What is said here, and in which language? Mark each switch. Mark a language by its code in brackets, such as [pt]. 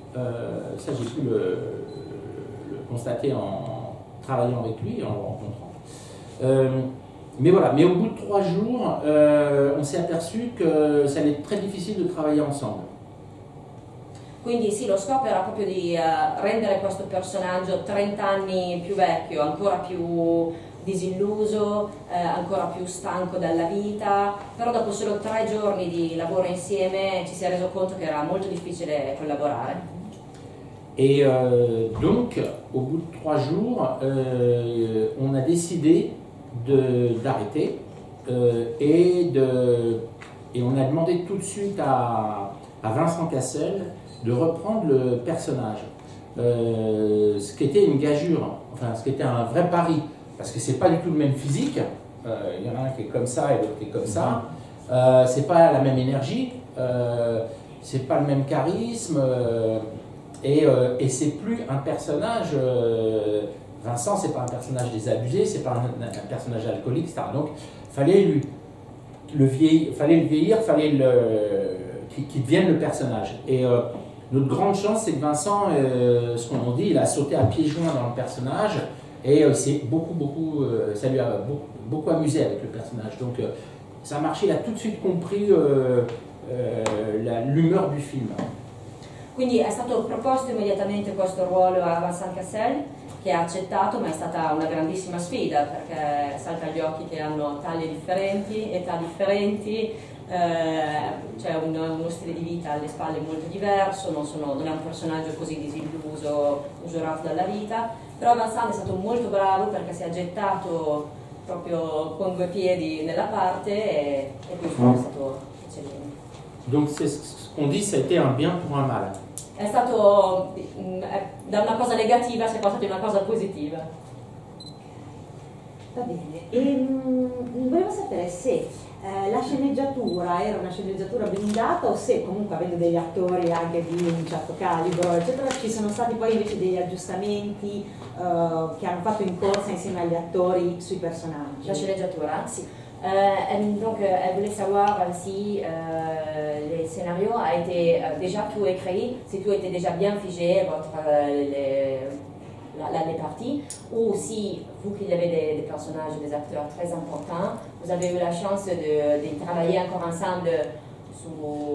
[fr] Ça, j'ai pu le constater en travaillant avec lui et en le rencontrant. Mais au bout de 3 jours, on s'est aperçu que ça allait être très difficile de travailler ensemble. [it] Quindi sì, lo scopo era proprio di rendere questo personaggio 30 anni più vecchio, ancora più disilluso, ancora più stanco dalla vita, però dopo solo 3 giorni di lavoro insieme ci si è reso conto che era molto difficile collaborare. [fr] Et donc, au bout de 3 jours, on a décidé d'arrêter et on a demandé tout de suite à Vincent Cassel de reprendre le personnage. Ce qui était une gageure, enfin ce qui était un vrai pari, parce que ce n'est pas du tout le même physique. Il y en a un qui est comme ça et l'autre qui est comme ça. Ce n'est pas la même énergie, ce n'est pas le même charisme. Et c'est plus un personnage, Vincent, c'est pas un personnage désabusé, c'est pas un personnage alcoolique, etc. Donc, fallait qu'il devienne le personnage. Et notre grande chance, c'est que Vincent, ce qu'on dit, il a sauté à pieds joints dans le personnage, et c'est beaucoup, ça lui a beaucoup amusé avec le personnage. Donc, ça a marché, il a tout de suite compris l'humeur du film. [it] Quindi è stato proposto immediatamente questo ruolo a Vincent Cassel, che ha accettato, ma è stata una grandissima sfida, perché salta agli occhi che hanno taglie differenti, età differenti, c'è uno stile di vita alle spalle molto diverso, non è un personaggio così disilluso, usurato dalla vita, però Vincent è stato molto bravo perché si è gettato proprio con 2 piedi nella parte e questo è stato eccellente. [fr] Donc c'est ce qu'on dit, ça a été un bien pour un mal. C'est [it] stato da una cosa negativa, c'est passato in una cosa positiva. va bene. E volevo sapere se la sceneggiatura era una sceneggiatura blindata o se comunque avendo degli attori anche di un certo calibro, eccetera, ci sono stati poi invece degli aggiustamenti che hanno fatto in corsa insieme agli attori sui personaggi. La sceneggiatura, sì. [fr] Donc, elle voulait savoir si le scénario a été déjà tout écrit, si tout était déjà bien figé, les parties, ou si vous qui avez des personnages, des acteurs très importants, vous avez eu la chance de travailler encore ensemble sous...